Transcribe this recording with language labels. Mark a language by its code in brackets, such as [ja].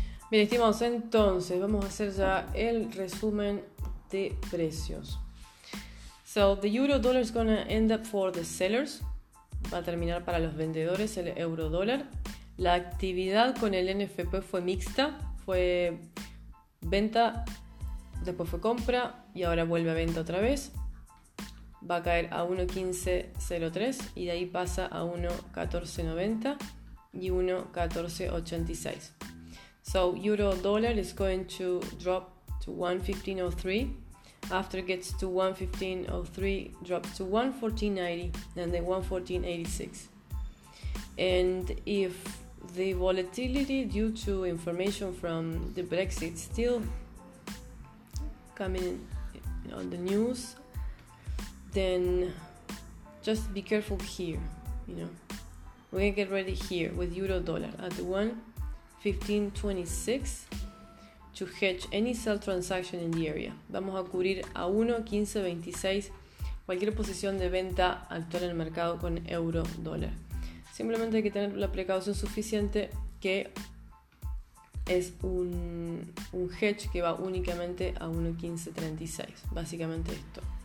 [es] Bien, estimados, entonces vamos a hacer ya el resumen de precios. [en] So, the euro dollar is going to end up for the sellers. [es] Va a terminar para los vendedores el euro dólar. La actividad con el NFP fue mixta. Fue venta, después fue compra y ahora vuelve a venta otra vez. Va a caer a 1.1503 y de ahí pasa a 1.1490 y 1.1486. [en] So, euro dollar is going to drop to 1.1503. After it gets to 1.1503, drops to 1.1490 and then 1.1486. And if the volatility due to information from the Brexit still coming on the news, then just be careful here, you know. We're going to get ready here with euro dollar at 1.1526 to hedge any sell transaction in the area. [es] Vamos a cubrir a 1.1526 cualquier posición de venta actual en el mercado con euro dólar. Simplemente hay que tener la precaución suficiente que es un hedge que va únicamente a 1.1536. Básicamente esto.